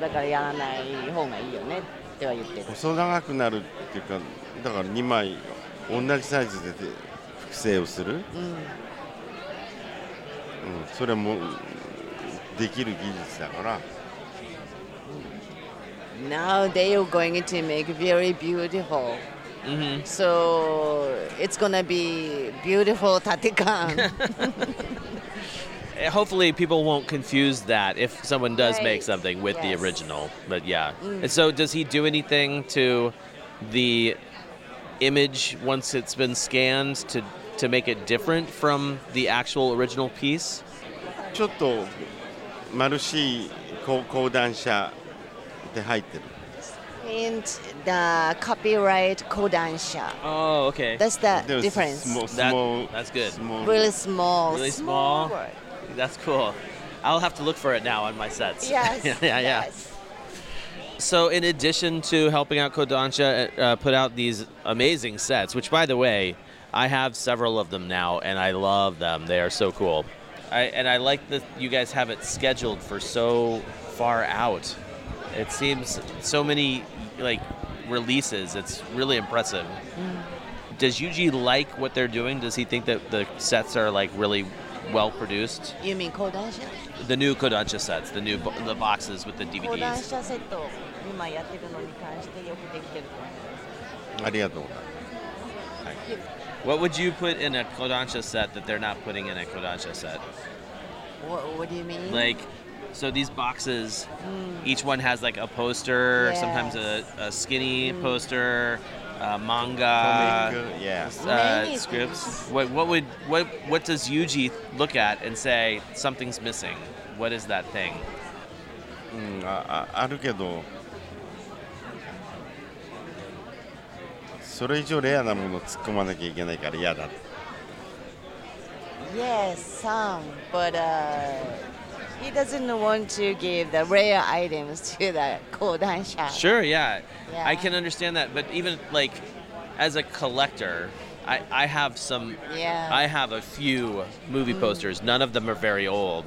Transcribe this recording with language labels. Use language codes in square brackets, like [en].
[ja] だからやらない方がいいよねっては言ってる。細長くなるっていうか、だから2枚同じサイズで複製をする。うん。それもできる技術だから。 [en] Now they are going to make very beautiful. Mm-hmm. So it's going to be beautiful tatekan. Hopefully people won't confuse that if someone does make something with the original. But yeah. Mm. And so does he do anything to the image once it's been scanned to make it different from the actual original piece? [ja] ちょっと丸しい高段車で入ってる。 [en] And the copyright Kodansha. Oh, okay. That's the difference. That's good. Small. Really small. Really small. That's cool. I'll have to look for it now on my sets. Yes. So in addition to helping out Kodansha put out these amazing sets, which by the way, I have several of them now and I love them. They are so cool. I like that you guys have it scheduled for so far out. It seems so many like releases. It's really impressive. Mm. Does Yuji like what they're doing? Does he think that the sets are like really well produced? You mean Kodansha? The new Kodansha sets, the new the boxes with the DVDs. Kodansha set. [ja] 今やってるのに関してよくできてると思います。ありがとうございます。 [en] What would you put in a Kodansha set that they're not putting in a Kodansha set? What do you mean? Like, so these boxes, each one has like a poster, sometimes a skinny poster, manga, scripts. What does Yuji look at and say something's missing? What is that thing? [ja] あるけど、それ以上レアなものを突っ込まなきゃいけないから嫌だ。 [en] Yes, some, but he doesn't want to give the rare items to the Kodansha. Sure, yeah. I can understand that, but even like as a collector, I have some. Yeah. I have a few movie posters. None of them are very old.